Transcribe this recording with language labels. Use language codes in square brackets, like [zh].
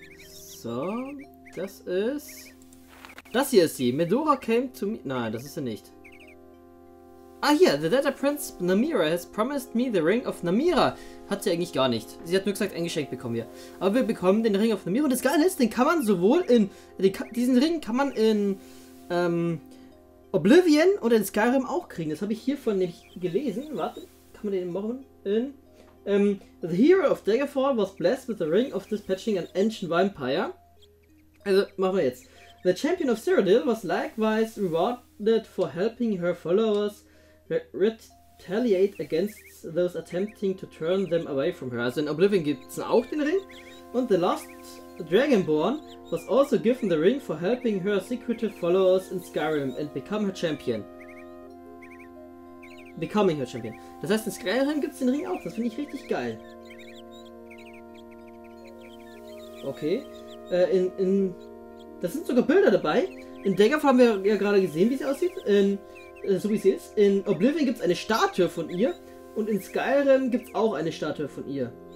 [de] So, das ist... Das hier ist sie. [en] Medora came to me... [de] Nein, das ist sie nicht. Ah, hier. [en] The Data Prince Namira has promised me the Ring of Namira. [de] Hat sie eigentlich gar nicht. Sie hat nur gesagt, ein Geschenk bekommen wir. Aber wir bekommen den Ring of Namira. Und das Geile ist, den kann man sowohl in... diesen Ring kann man in... Oblivion oder in Skyrim auch kriegen. Das habe ich hiervon nicht gelesen. Warte, kann man den machen? In... [en] The Hero of Daggerfall was blessed with the Ring of Dispatching an Ancient Vampire. [de] Also, machen wir jetzt. [en] The Champion of Cyrodiil was likewise rewarded for helping her followers retaliate against those attempting to turn them away from her. [de] Also in Oblivion gibt es auch den Ring. [en] Und the Lost Dragonborn was also given the ring for helping her secretive followers in Skyrim and become her champion. Becoming her champion. [de] Das heißt, in Skyrim gibt es den Ring auch. Das finde ich richtig geil. Okay. Das sind sogar Bilder dabei. In Daggerfall haben wir ja gerade gesehen, wie sie aussieht. So wie sie ist. In Oblivion gibt es eine Statue von ihr. Und in Skyrim gibt es auch eine Statue von ihr.